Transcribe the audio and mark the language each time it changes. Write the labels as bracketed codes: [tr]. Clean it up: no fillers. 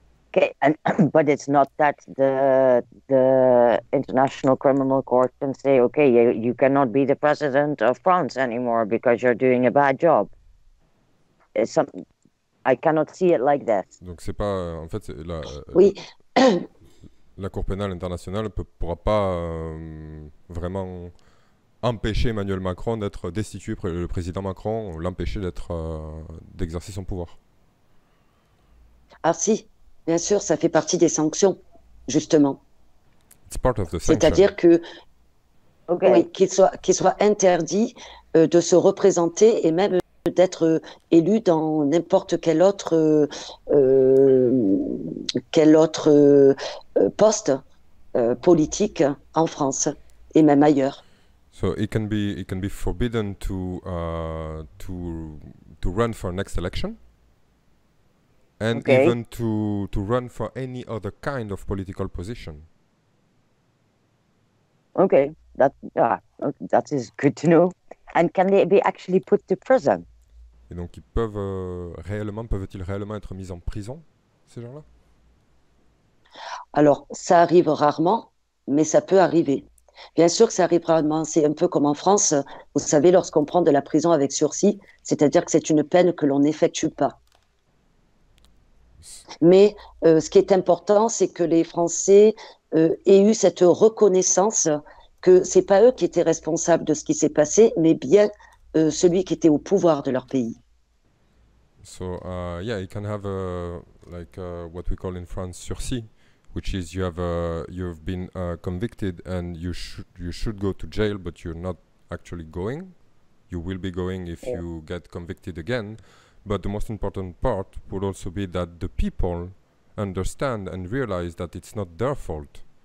[en] Okay, and but it's not that the International Criminal Court can say, okay, you cannot be the president of France anymore because you're doing a bad job. It's some, I cannot see it like this. [fr] Donc c'est pas en fait Oui. la Cour pénale internationale pourra pas vraiment empêcher Emmanuel Macron d'être destitué, le président Macron l'empêcher d'exercer son pouvoir. Ah si, bien sûr, ça fait partie des sanctions, justement. [en] It's part of the sanction. [fr] C'est-à-dire que, [en] OK. [fr] oui, qu'il soit interdit de se représenter et même d'être élu dans n'importe quel autre poste politique en France et même ailleurs. [en] So it can be forbidden to run for next election, and OK. even to run for any other kind of political position. OK. That is good to know. And can they be actually put to prison? [fr] Et donc ils peuvent réellement peuvent-ils réellement être mis en prison, ces gens-là? Alors, ça arrive rarement, mais ça peut arriver. Bien sûr que ça arrive rarement. C'est un peu comme en France. Vous savez, lorsqu'on prend de la prison avec sursis, c'est-à-dire que c'est une peine que l'on n'effectue pas. Mais ce qui est important, c'est que les Français aient eu cette reconnaissance que ce n'est pas eux qui étaient responsables de ce qui s'est passé, mais bien celui qui était au pouvoir de leur pays. [en] So yeah, you can have what we call in France sursis, which is you have been convicted and you should go to jail, but you're not actually going. You will be going if you get convicted again. But the most important part would also be that the people understand and realize that it's not their fault.